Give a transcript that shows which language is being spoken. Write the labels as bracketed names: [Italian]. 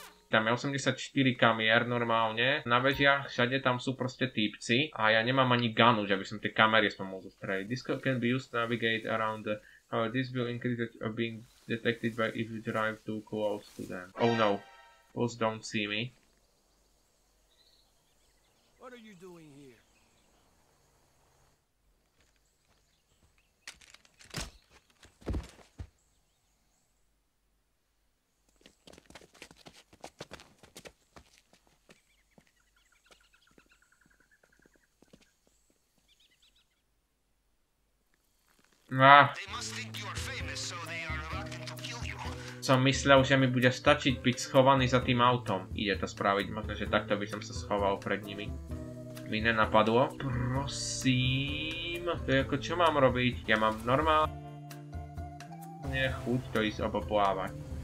[Slovak] Tam je 84 kamier normálne, na vežiach všade tam sú proste týpci a ja nemám ani gunu, že by som tie kamery aspoň mohol zostrieť. [English] Disco can be used to navigate around the... this will increase the being detected by if you drive too close to them. Oh no, those don't see me. What are you doing here? They must think you are famous, so they are reluctant to kill you. [Slovak] Som myslel, že mi bude stačiť byť schovaný za tým autom. Ide to spraviť, možno že takto by som sa schoval pred nimi. Mi nenapadlo. Prosím. To je ako, čo mám robiť? Ja mám normálne chuť to ísť oboplávať.